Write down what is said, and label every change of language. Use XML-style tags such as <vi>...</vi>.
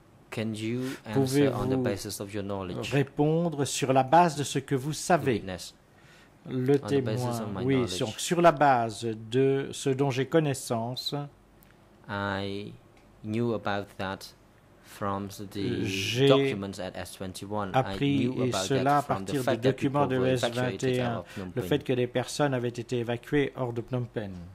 <en>Can you answer on the basis of your knowledge?</en> <fr>Répondre sur la base de ce que vous savez. Le témoin. Oui, sur la base de ce dont j'ai connaissance.</fr> <en>I knew about that from the documents at S21.</en> <fr>J'ai appris cela à partir des documents de S21, le fait que des personnes avaient été évacuées hors de Phnom Penh.</fr>